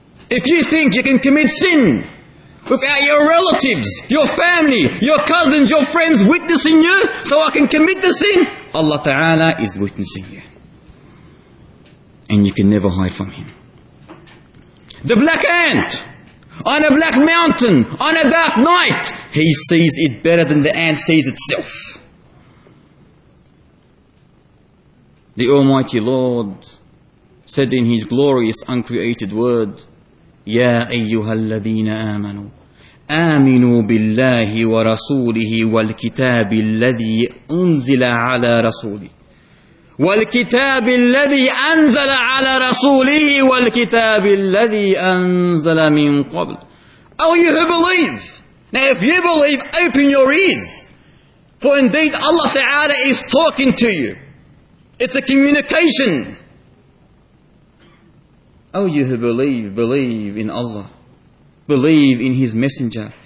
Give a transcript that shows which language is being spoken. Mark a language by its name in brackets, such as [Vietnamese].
[English] If you think you can commit sin without your relatives, your family, your cousins, your friends witnessing you, so I can commit the sin, Allah Ta'ala is witnessing you. And you can never hide from Him. The black ant on a black mountain on a dark night, he sees it better than the ant sees itself. The Almighty Lord said in His glorious uncreated word, [Arabic] يَا أَيُّهَا الَّذِينَ آمَنُوا آمِنُوا بِاللَّهِ وَرَسُولِهِ وَالْكِتَابِ الَّذِي أُنزِلَ عَلَى رَسُولِهِ وَالْكِتَابِ الَّذِي أَنزَلَ عَلَى رَسُولِهِ وَالْكِتَابِ الَّذِي أَنزَلَ مِن قَبْلِ. [English] Oh, you who believe. Now if you believe, open your ears. For indeed Allah Ta'ala is talking to you. It's a communication. Oh, you who believe, believe in Allah. Believe in His Messenger.